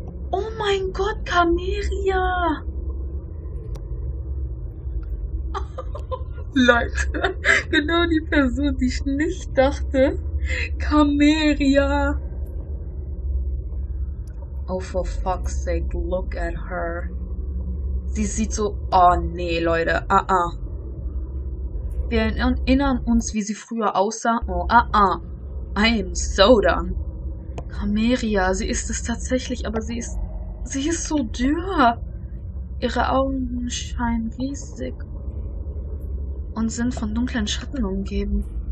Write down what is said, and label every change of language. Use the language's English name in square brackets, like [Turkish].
[German] Oh mein Gott, Cameria! Leute, genau die Person, die ich nicht dachte. Cameria! [English] Oh, for fuck's sake, look at her. [German] Sie sieht so. Oh nee, Leute. Wir erinnern uns, wie sie früher aussah. [English] Oh, I am so done. [German] Cameria, sie ist es tatsächlich, aber sie ist. Sie ist so dürr. Ihre Augen scheinen riesig und sind von dunklen Schatten umgeben.